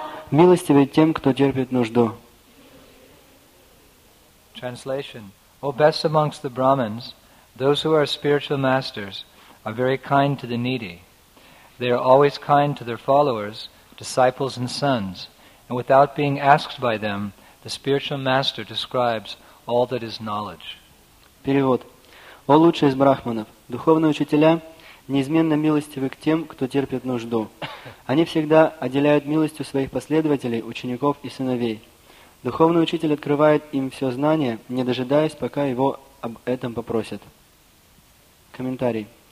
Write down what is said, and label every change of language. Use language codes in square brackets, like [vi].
[ru] милостивый тем, кто терпит нужду. [en] Translation. O best amongst the Brahmins, those who are spiritual masters are very kind to the needy. They are always kind to their followers, disciples and sons, and without being asked by them, the spiritual master describes all that is knowledge. [ru] Перевод. О лучший из брахманов, духовные учителя неизменно милостивы к тем, кто терпит нужду. Они всегда отделяют милостью своих последователей, учеников и сыновей. Духовный учитель открывает им все знание, не дожидаясь, пока его об этом попросят. Комментарий.